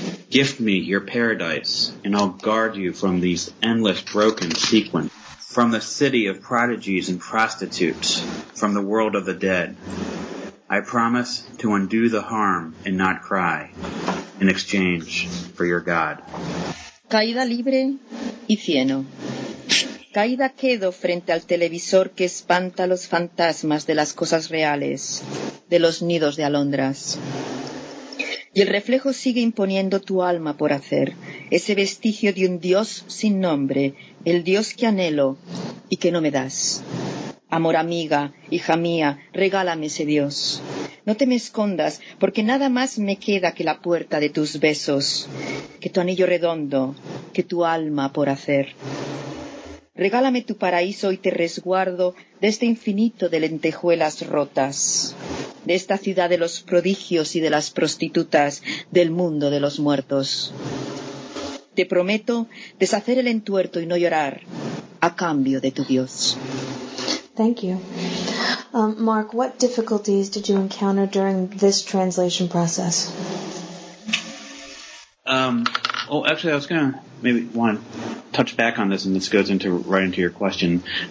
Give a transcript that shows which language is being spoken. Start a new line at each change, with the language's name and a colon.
English: Gift me your paradise, and I'll guard you from these endless broken sequins. From the city of prodigies and prostitutes, from the world of the dead, I promise to undo the harm and not cry in exchange for your God.
Spanish: Caída libre y cieno. Caída quedo frente al televisor que espanta los fantasmas de las cosas reales, de los nidos de alondras. Y el reflejo sigue imponiendo tu alma por hacer, ese vestigio de un dios sin nombre, el dios que anhelo y que no me das. Amor amiga, hija mía, regálame ese dios. No te me escondas, porque nada más me queda que la puerta de tus besos, que tu anillo redondo, que tu alma por hacer. Regálame tu paraíso y te resguardo de este infinito de lentejuelas rotas, de esta ciudad de los prodigios y de las prostitutas, del mundo de los muertos. Te prometo deshacer el entuerto y no llorar a cambio de tu Dios.
English: Thank you. Mark, what difficulties did you encounter during this translation process? Actually, I was going to maybe want to touch back on this, and this goes into right into your question.